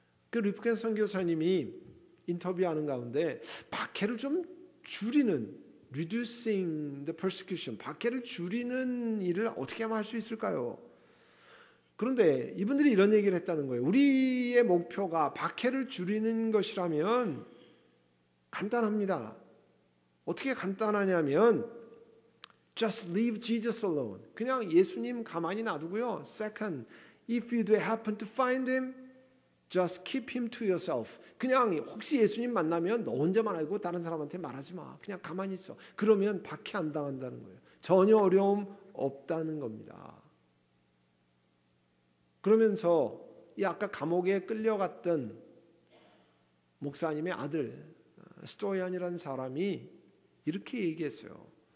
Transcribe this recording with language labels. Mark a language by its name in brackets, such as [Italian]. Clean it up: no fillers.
[Korean] 그 리프켄 선교사님이 인터뷰하는 가운데 박해를 좀 줄이는 [English] reducing the persecution, [Korean] 박해를 줄이는 일을 어떻게 하면 할 수 있을까요? 그런데 이분들이 이런 얘기를 했다는 거예요. 우리의 목표가 박해를 줄이는 것이라면 간단합니다. 어떻게 간단하냐면 [English] just leave Jesus alone. [Korean] 그냥 예수님 가만히 놔두고요. [English] Second, if you do happen to find him, just keep him to yourself. [Korean] 그냥 혹시 예수님 만나면 너 혼자만 알고 다른 사람한테 말하지 마. 그냥 가만히 있어. 그러면 박해 안 당한다는 거예요. 전혀 어려움 없다는 겁니다. 그러면서 이 아까 감옥에 끌려갔던 목사님의 아들 스토이안이라는 사람이 이렇게 얘기했어요.